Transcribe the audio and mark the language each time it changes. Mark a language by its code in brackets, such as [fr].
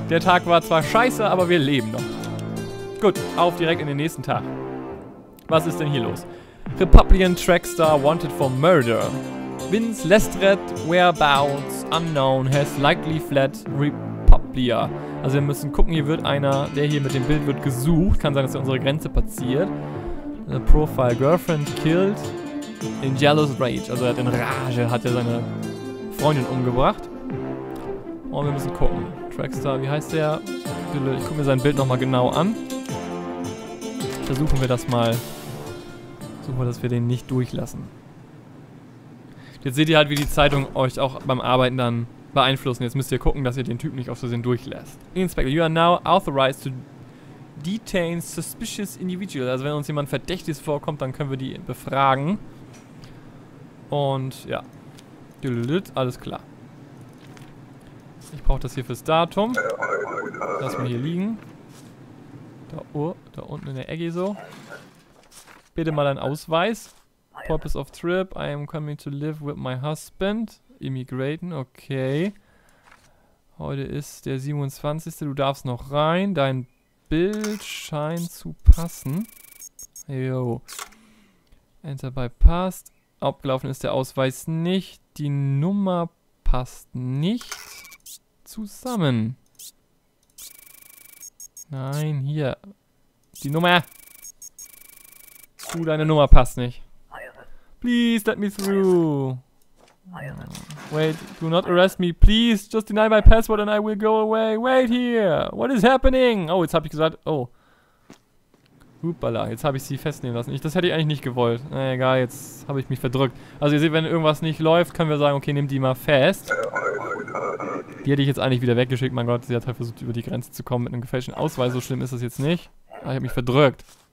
[de] Der Tag war zwar scheiße, aber wir leben noch. Gut, auf direkt in den nächsten Tag. Was ist denn hier los? [en] Republican Trackstar wanted for murder. Vince Lestred, whereabouts unknown, has likely fled Republia. [de] Also wir müssen gucken, hier wird einer, der hier mit dem Bild wird gesucht. Kann sein, dass er unsere Grenze passiert. [en] The profile, girlfriend killed in jealous rage. [de] Also er hat in Rage, hat er seine Freundin umgebracht. Und wir müssen gucken. Trackstar, wie heißt der? Ich gucke mir sein Bild nochmal genau an. Versuchen wir das mal. Versuchen wir, dass wir den nicht durchlassen. Jetzt seht ihr halt, wie die Zeitung euch auch beim Arbeiten dann beeinflussen. Jetzt müsst ihr gucken, dass ihr den Typen nicht auf Versehen durchlässt. [en] Inspector, you are now authorized to detain suspicious individuals. [de] Also wenn uns jemand Verdächtiges vorkommt, dann können wir die befragen. Und ja. Alles klar. Ich brauche das hier fürs Datum. Lass mal hier liegen. Da unten in der Ecke so. Bitte mal einen Ausweis. [en] Purpose of trip. I am coming to live with my husband. [de] Immigraten, okay. Heute ist der 27. Du darfst noch rein. Dein Bild scheint zu passen. Yo. [en] Enter by passed. [de] Abgelaufen ist der Ausweis nicht. Die Nummer passt nicht zusammen. Nein, hier. Die Nummer. Deine Nummer passt nicht. [en] Please let me through. Wait, do not arrest me. Please just deny my password and I will go away. Wait here. What is happening? [de] Oh, jetzt habe ich gesagt. Oh. Hupala, jetzt habe ich sie festnehmen lassen. Das hätte ich eigentlich nicht gewollt. Na egal, jetzt habe ich mich verdrückt. Also ihr seht, wenn irgendwas nicht läuft, können wir sagen, okay, nimm die mal fest. Die hätte ich jetzt eigentlich wieder weggeschickt. Mein Gott, sie hat halt versucht, über die Grenze zu kommen mit einem gefälschten Ausweis. So schlimm ist das jetzt nicht. Ah, ich habe mich verdrückt.